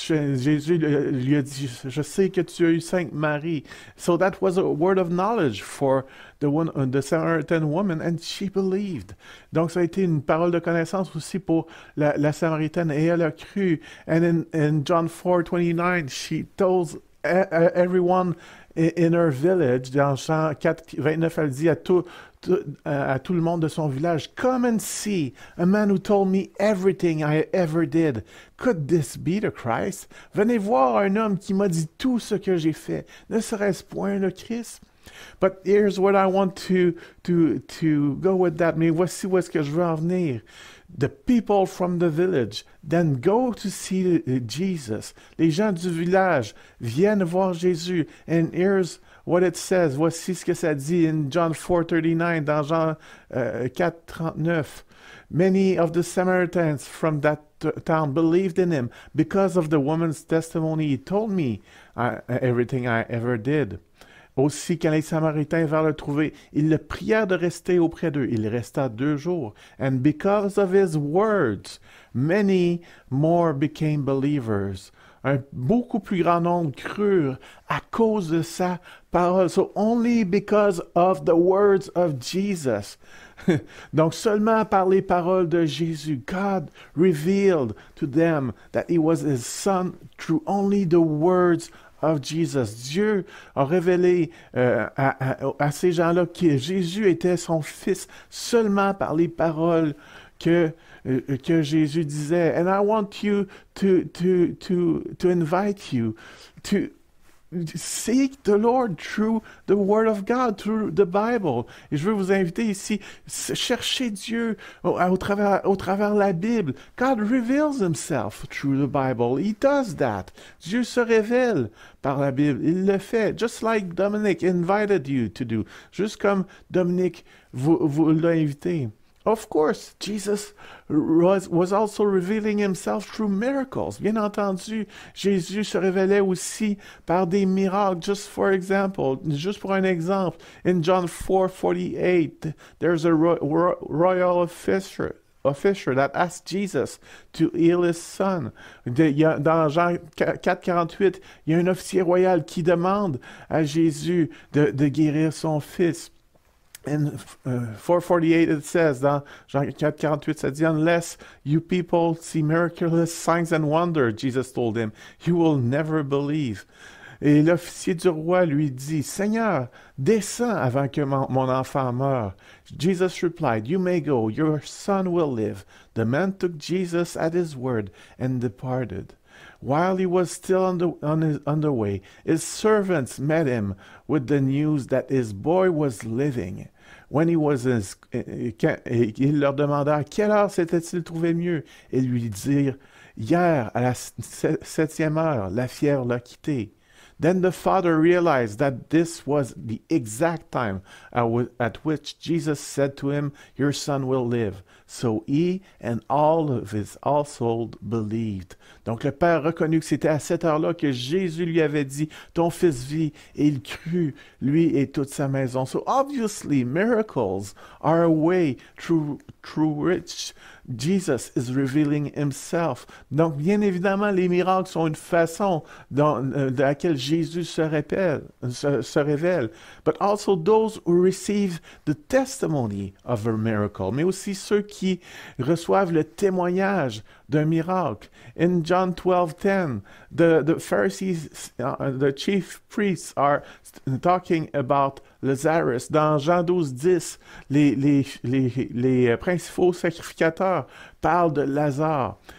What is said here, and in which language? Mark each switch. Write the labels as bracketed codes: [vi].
[fr] Jésus lui a dit, "Je sais que tu as eu cinq maris." [en] So that was a word of knowledge for the Samaritan woman, and she believed. [fr] Donc ça a été une parole de connaissance aussi pour la Samaritaine, et elle a cru. [en] And in John 4:29, she told everyone in her village, [fr] dans Jean 4:29, elle dit à tout le monde de son village, [en] "Come and see a man who told me everything I ever did. Could this be the Christ?" [fr] Venez voir un homme qui m'a dit tout ce que j'ai fait. Ne serait-ce point le Christ? [en] But here's what I want to go with that. [fr] Mais voici où est-ce que je veux en venir. [en] The people from the village then go to see Jesus. [fr] Les gens du village viennent voir Jésus. [en] And here's what it says. [fr] Voici ce que ça dit [en] in John 4:39, [fr] dans Jean 4:39. [en] Many of the Samaritans from that town believed in him because of the woman's testimony. He told me everything I ever did. [fr] Aussi, quand les Samaritains vinrent le trouver, ils le prièrent de rester auprès d'eux. Il resta deux jours. [en] And because of his words, many more became believers. [fr] Un beaucoup plus grand nombre crurent à cause de sa parole. [en] So only because of the words of Jesus. [fr] Donc seulement par les paroles de Jésus. [en] God revealed to them that he was his son through only the words of Jesus. [fr] Dieu a révélé à ces gens-là que Jésus était son fils seulement par les paroles que Jésus disait. [en] And I want you to invite you to seek the Lord through the Word of God, through the Bible. [fr] Et je veux vous inviter ici, chercher Dieu au travers la Bible. [en] God reveals himself through the Bible. He does that. [fr] Dieu se révèle par la Bible. Il le fait, [en] just like Dominic invited you to do. [fr] Juste comme Dominic vous l'a invité. [en] Of course, Jesus was also revealing himself through miracles. [fr] Bien entendu, Jésus se révélait aussi par des miracles. [en] Just for example, just [fr] pour un exemple, [en] in John 4:48, there's a royal official that asked Jesus to heal his son. [fr] Dans Jean 4:48, il y a un officier royal qui demande à Jésus de guérir son fils. [en] In 4:48, it says, [fr] dans Jean 4:48, ça dit, [en] unless you people see miraculous signs and wonders, Jesus told him, you will never believe. [fr] Et l'officier du roi lui dit, Seigneur, descends avant que mon enfant meure. [en] Jesus replied, you may go, your son will live. The man took Jesus at his word and departed. While he was still on the way, his servants met him with the news that his boy was living. When he was in, [fr] il leur demanda à quelle heure s'était-il trouvé mieux. Ils lui dirent, hier, à la septième heure, la fièvre l'a quitté. [en] Then the father realized that this was the exact time at which Jesus said to him, your son will live. So he and all of his household believed. [fr] Donc le père reconnut que c'était à cette heure-là que Jésus lui avait dit, ton fils vit, et il crut, lui et toute sa maison. [en] So obviously, miracles are a way through which Jesus is revealing himself. [fr] Donc bien évidemment, les miracles sont une façon de laquelle Jésus se révèle. [en] But also those who receive the testimony of a miracle, [fr] mais aussi ceux qui reçoivent le témoignage d'un miracle. [en] In John 12:10, the Pharisees, the chief priests are talking about Lazarus. [fr] Dans Jean 12:10, les principaux sacrificateurs parlent de Lazare.